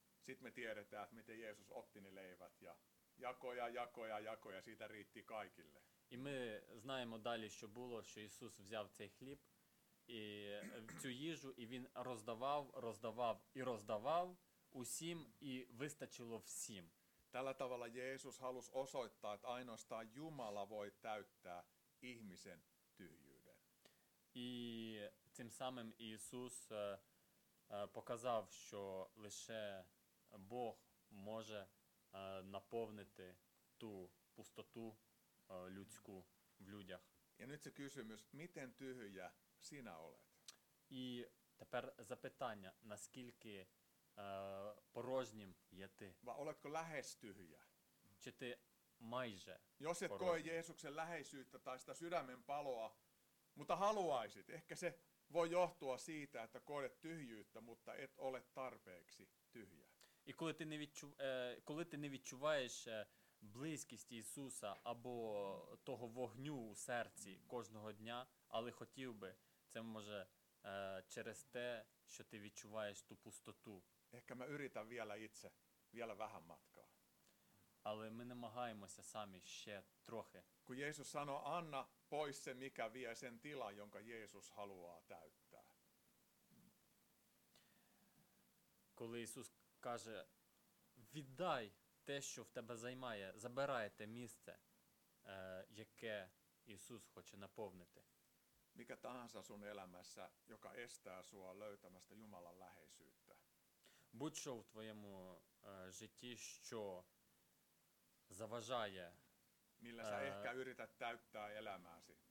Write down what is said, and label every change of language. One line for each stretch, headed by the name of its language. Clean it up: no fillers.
Finnish: Sitten me tiedetään, että miten Jeesus otti ne leivät ja jakoi ja siitä riitti kaikille.
Ukrainian: І ми знаємо далі, що було, що Ісус взяв цей хліб і цю їжу, і він роздавав і роздавав усім, і вистачило всім.
Finnish: Tällä tavalla Jeesus halusi osoittaa, että ainoastaan Jumala voi täyttää ihmisen tyhjyyden.
Ukrainian: І цим самим Ісус показав, що лише Бог може наповнити ту пустоту людську в людях.
Finnish: Ja nyt se kysymys, miten tyhjä sinä olet?
Ukrainian: І тепер запитання, наскільки порожнім є ти.
Finnish: Vai oletko lähes tyhjä?
Ukrainian: Чи ти майже
Finnish: Jos et
Ukrainian: порожнім?
Finnish: Koe Jeesuksen läheisyyttä tai sitä sydämen paloa, Mutta haluaisit, ehkä se voi johtua siitä, että koet tyhjyyttä, mutta et ole tarpeeksi tyhjä.
Ukrainian: І коли ти не відчуваєш близькість Ісуса або того вогню у серці кожного дня, але хотів би, це може через те, що ти відчуваєш ту пустоту.
Finnish: Ehkä mä yritän vielä itse, vielä vähän matkaa.
Ukrainian: Але ми намагаємося самі ще трохи.
Finnish: Kun Jeesus sanoo, anna pois se, mikä vie sen tilan, jonka Jeesus haluaa täyttää.
Ukrainian: Коли Ісус каже, віддай те, що в тебе займає, забирай те місце, яке Ісус хоче наповнити.
Finnish: Mikä tahansa sun elämässä, joka estää sua löytämästä Jumalan läheisyyttä.
Ukrainian: Будь-що в твоєму житті, що заважає.
Finnish: Millä sä ehkä yrität täyttää elämääsi.